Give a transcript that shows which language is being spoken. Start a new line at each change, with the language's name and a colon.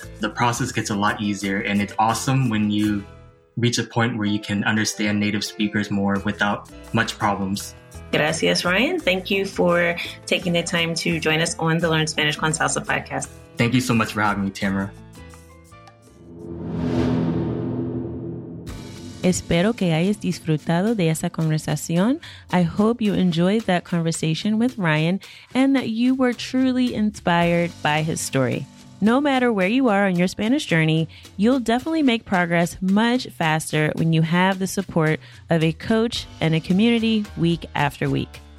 English: The process gets a lot easier, and it's awesome when you reach a point where you can understand native speakers more without much problems.
Spanish: Gracias, Ryan.
English: Thank you for taking the time to join us on the Learn Spanish con Salsa podcast. Thank you so much for having me, Tamara.
Spanish: Espero que hayas disfrutado de esa conversación.
English: I hope you enjoyed that conversation with Ryan and that you were truly inspired by his story. No matter where you are on your Spanish journey, you'll definitely make progress much faster when you have the support of a coach and a community week after week.